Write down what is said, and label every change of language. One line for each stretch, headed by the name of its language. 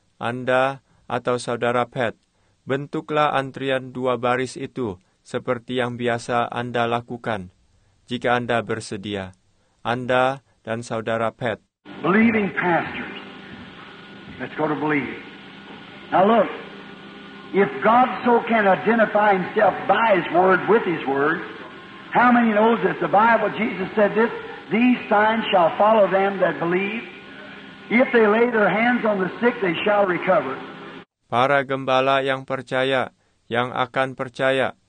Indonesian: Anda atau Saudara Pat, bentuklah antrian dua baris itu seperti yang biasa Anda lakukan. Jika Anda bersedia, Anda dan Saudara Pat.
English: Believing pastors, let's go to believe. Now look, if God so can identify Himself by His Word with His Word, how many knows that the Bible, Jesus said this, these signs shall follow them that believe. If they lay their hands on the sick, they shall recover.
Indonesian: Para gembala yang percaya, yang akan percaya.